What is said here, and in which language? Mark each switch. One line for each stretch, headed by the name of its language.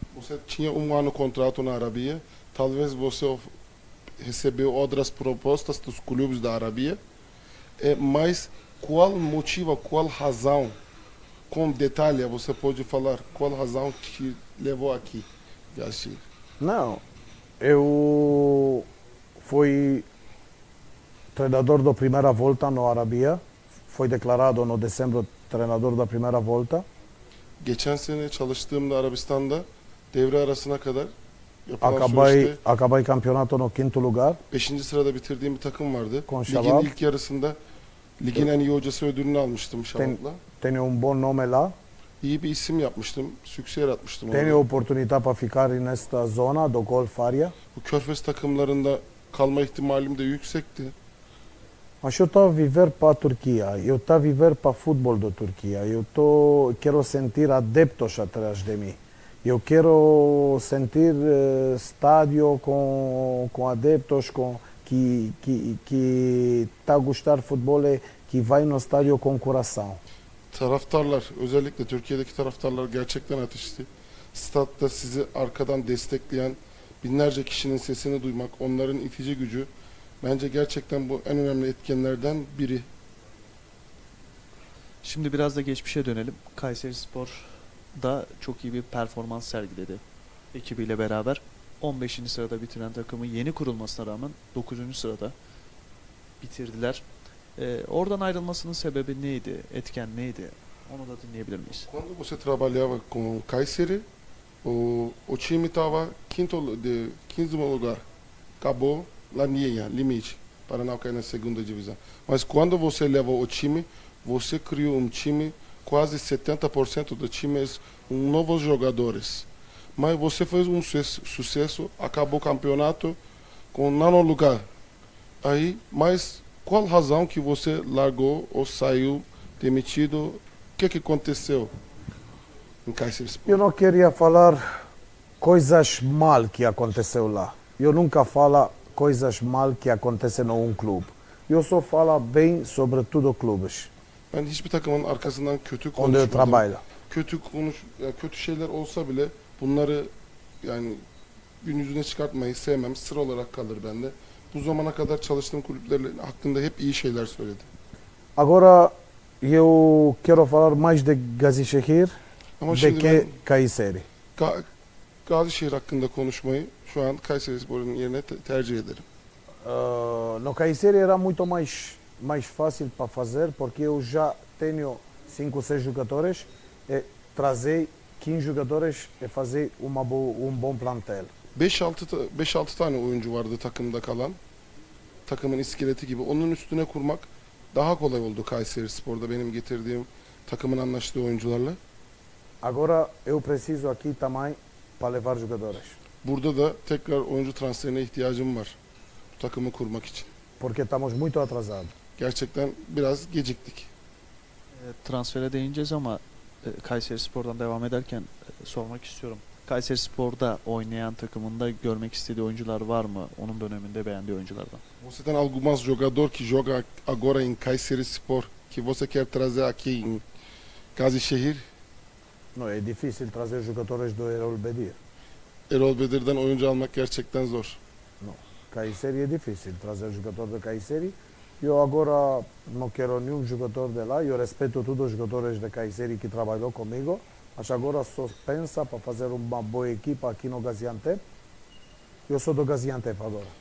Portuguese: Você tinha um ano contrato na Arábia. Talvez você recebeu outras propostas dos clubes da Arábia. Mas qual motivo, qual razão, com detalhe, você pode falar qual razão te levou aqui, Gaxi? Não, eu fui treinador da primeira volta no Arábia. Foi declarado no dezembro treinador da primeira volta.
Turkish: Geçen sene çalıştığımda Arabistan'da devre arasına kadar
Portuguese: Acabei campeonato no quinto lugar.
Turkish: 5. sırada bitirdiğim bir takım vardı. Ligin ilk yarısında ligin en iyi hocası ödülünü almıştım Şabab'la.
Portuguese: Tenho um bom nome lá.
Turkish: İyi bir isim yapmıştım. Sükse yaratmıştım.
Portuguese: Tenho oportunidade para ficar nesta zona do Golf Faria.
Turkish: Bu Körfez takımlarında kalma ihtimalim de yüksekti.
Portuguese: Mas eu estou a viver para a Turquia. Eu estou a viver para o futebol da Turquia. Eu quero sentir adeptos atrás de mim. Eu quero sentir estádio com adeptos que está a gostar de futebol e que vai no estádio com coração.
Turkish: Taraftarlar, özellikle Türkiye'deki taraftarlar gerçekten ateşli. Statta sizi arkadan destekleyen binlerce kişinin sesini duymak, onların itici gücü bence gerçekten bu en önemli etkenlerden biri. Şimdi biraz da geçmişe dönelim. Kayserispor da çok iyi bir performans sergiledi ekibiyle beraber. 15. sırada bitiren takımı yeni kurulmasına rağmen 9. sırada bitirdiler. Oradan ayrılmasının sebebi neydi? Etken neydi? Onu da dinleyebilir miyiz?
Portuguese: Quando você trabalhava com Kayseri, o time estava quinto de 15º lugar. Acabou na linha, limite para não cair na segunda divisão. Mas quando você levou o time, você criou um time, quase 70% do time são novos jogadores. Mas você fez um sucesso, acabou o campeonato com nono lugar. Aí, mas qual razão que você largou ou saiu demitido? O que aconteceu em Kayserispor? Eu não queria falar coisas mal que aconteceu lá. Eu nunca falo coisas mal que acontecem em um clube. Eu só falo bem sobre tudo clubes.
Turkish: Ben hiçbir takımın arkasından kötü konuşmadım. Kötü şeyler olsa bile bunları yani gün yüzüne çıkartmayı sevmem. Sıra olarak kalır bende. Bu zamana kadar çalıştığım kulüplerle hakkında hep iyi şeyler söyledim.
Portuguese: Agora eu quero falar mais de Gazişehir de que Kayseri.
Turkish: Gazişehir hakkında konuşmayı şu an Kayserispor'un yerine tercih ederim.
Portuguese: No Kayseri era muito mais fácil para fazer porque eu já tenho 5-6 jogadores e trazer 15 jogadores e fazer um bom plantel.
Turkish: 5-6 tane oyuncu vardı takımda kalan. Takımın iskeleti gibi onun üstüne kurmak daha kolay oldu Kayserispor'da benim getirdiğim takımın anlaştığı oyuncularla.
Portuguese: Agora eu preciso aqui também para levar jogadores.
Turkish: Burada da tekrar oyuncu transferine ihtiyacım var. Bu takımı kurmak için.
Portuguese: Porque estamos muito atrasados.
Turkish: Gerçekten biraz geciktik. Transfere değineceğiz ama Kayserispor'dan devam ederken sormak istiyorum. Kayserispor'da oynayan takımında görmek istediği oyuncular var mı? Onun döneminde beğendiği oyunculardan.
Portuguese: Você tem algum mais jogador que joga agora em Kayserispor que você quer trazer aqui em Gazişehir? Não, é difícil trazer jogadores do Erol Bedir.
Turkish: Erol Bedir'den oyuncu almak gerçekten zor.
Portuguese: Não, Kayseri é difícil trazer jogador do Kayseri. Eu agora não quero nenhum jogador de lá. Eu respeito todos os jogadores de Kayseri que trabalhou comigo. Mas agora só pensa para fazer uma boa equipa aqui no Gaziantep. Eu sou do Gaziantep agora.